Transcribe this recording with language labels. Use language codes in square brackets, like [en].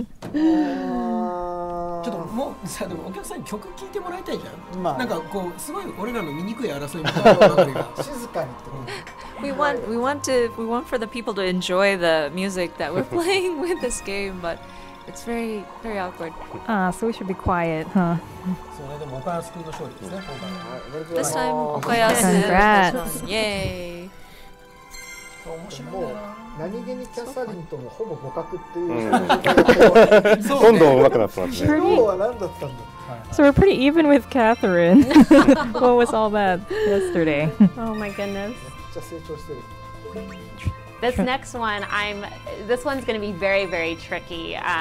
[ja] ちょっともうさ、でもお客さんに曲聴いてもらいたいじゃん、まあ、なんかこうすごい俺らの醜い争いみたいな静かにって [en] we want for the people to enjoy the music that we're playing with this game, but it's very very awkward. Ah, so we should be quiet, huh? [ja] そうね、でも岡安君の勝利ですね、今回。 [en] This time 岡安 Congrats! Yay! [ja] 面白いな。何気にキャサリンともほぼ互角っていう、そうね、どんどん上手くなってますね。今日は何だったんだ。 [en] So we're pretty even with Catherine. What was all that yesterday? Oh my goodness. This next one, this one's going to be very, very tricky.